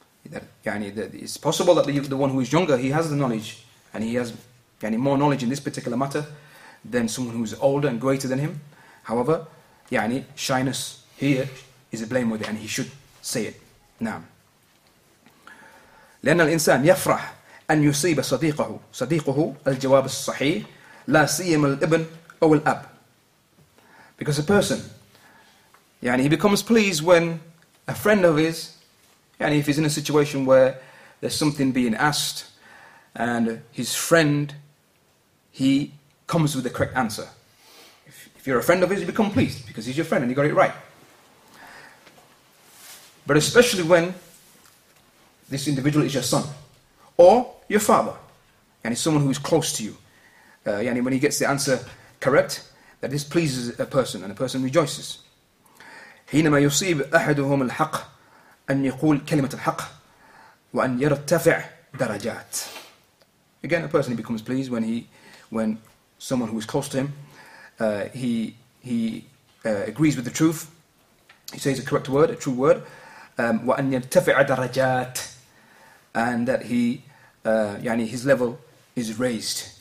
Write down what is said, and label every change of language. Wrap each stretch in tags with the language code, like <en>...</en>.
<en>That, yani, that it's possible that the one who is younger, he has the knowledge, and he has yani, more knowledge in this particular matter than someone who is older and greater than him. However, yani, shyness here is a blameworthy, and he should say it.</en> <ar>نعم. لأن الإنسان يفرح أن يصيب صديقه الجواب الصحيح لا سيما الابن أو الأب.</ar> <en>Because a person, يعني, he becomes pleased when a friend of his, يعني, if he's in a situation where there's something being asked and his friend, he comes with the correct answer. If you're a friend of his, you become pleased because he's your friend and he got it right. But especially when this individual is your son or your father, and it's someone who is close to you, yani when he gets the answer correct, that this pleases a person and a person rejoices.</en> <ar>حينما يصيب أحدهم الحق أن يقول كلمة الحق وأن يرتفع درجات.</ar> <en>Again, a person becomes pleased when someone who is close to him, he agrees with the truth. He says a correct word, a true word.</en> <ar>وأن يرتفع درجات,</ar> <en>and that he, يعني his level is raised.</en>